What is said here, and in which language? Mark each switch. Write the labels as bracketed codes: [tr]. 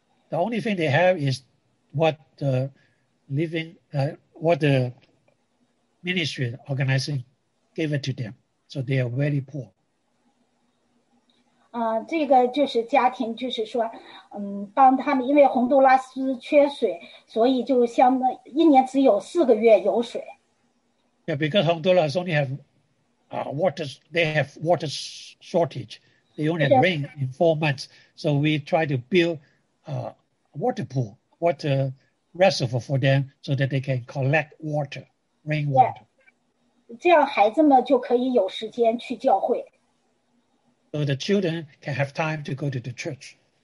[en] The only thing they have is what the living, what the ministry organizing gave it to them. So they are very poor. [zh] 这个就是家庭，就是说，帮他们，因为洪都拉斯缺水，所以就相当一年只有4个月有水。 [en] Yeah, because Honduras only have water, they have water shortage. They only have rain in 4 months. So we try to build a water pool, water reservoir for them so that they can collect water, rainwater. Yeah. [zh] 这样孩子们就可以有时间去教会。 [en] So the children can have time to go to the church.